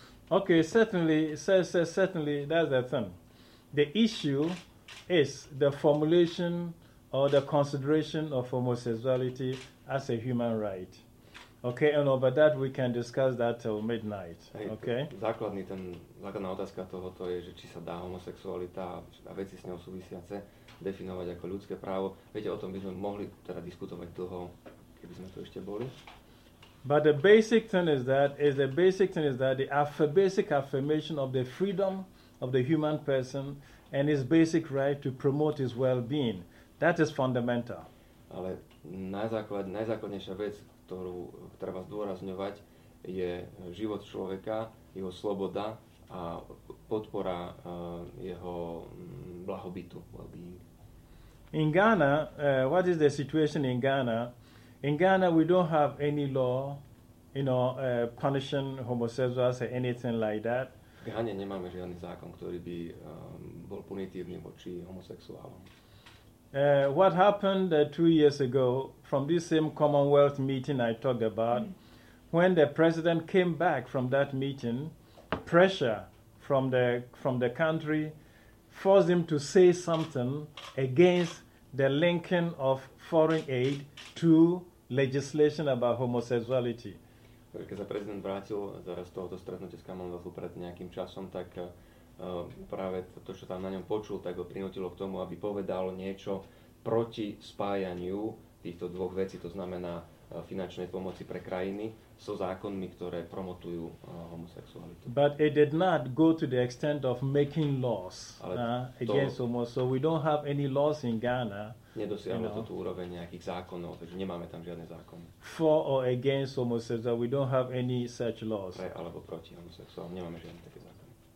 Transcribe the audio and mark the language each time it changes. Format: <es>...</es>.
<en>Okay, certainly, certainly, that's the thing. The issue is the formulation or the consideration of homosexuality as a human right. Okay, and over that we can discuss that till midnight. Okay.</en> <sk>Základný ten, základná otázka tohoto je, že či sa dá homosexualita a veci s ňou súvisiace definovať ako ľudské právo. Viete, o tom by sme mohli teda diskutovať dlho, keby sme tu ešte boli.</sk> <en>But the basic thing is that the basic affirmation of the freedom of the human person and his basic right to promote his well-being. That is fundamental.</en> <sk>Ale najzákladnejšia vec, ktorú treba zdôrazňovať, je život človeka, jeho sloboda a podpora jeho blahobytu, well-being.</sk> <en>In Ghana, what is the situation in Ghana? In Ghana, we don't have any law, punishing homosexuals or anything like that.</en> <sk>V Ghane nemáme žiadny zákon, ktorý by bol punitívny voči homosexuálom.</sk> <en>What happened 2 years ago from this same Commonwealth meeting I talked about, when the president came back from that meeting, pressure from the country forced him to say something against the linking of foreign aid to legislation about homosexuality.</en> <sk>Keď sa prezident vrátil zaraz tohoto stretnutia s Commonwealthu pred nejakým časom, tak práve to, čo tam na ňom počul, tak ho prinútilo k tomu, aby povedal niečo proti spájaniu týchto dvoch vecí, to znamená finančnej pomoci pre krajiny so zákonmi, ktoré promotujú homosexualitu.</sk> <en>But it did not go to the extent of making laws against homosexuality. So we don't have any laws in Ghana.</en> <sk>Nedosiahme toto úroveň nejakých zákonov, takže nemáme tam žiadne zákony.</sk> <en>For or against homosexuality, we don't have any such laws.</en> <sk>Pre alebo proti homosexuálom, nemáme žiadne také zákony.</sk>